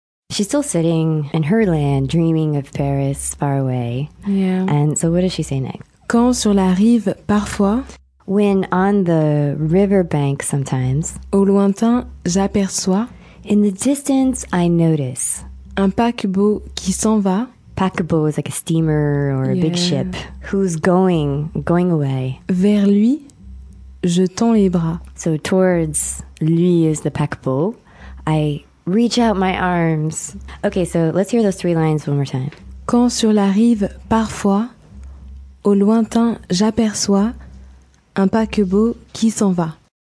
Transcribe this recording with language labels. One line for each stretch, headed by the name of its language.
English: She's still sitting in her land, dreaming of Paris far away. Yeah. And so what does she say next?
French: Quand sur la rive, parfois.
English: When on the riverbank sometimes.
French: Au lointain, j'aperçois.
English: In the distance, I notice.
French: Un paquebot qui s'en va.
English: Paquebot is like a steamer or a big ship. Who's going away.
French: Vers lui, je tends les bras.
English: So towards lui is the paquebot. I reach out my arms. Okay, so let's hear those three lines one more time.
French: Quand sur la rive, parfois, au lointain, j'aperçois un paquebot qui s'en va.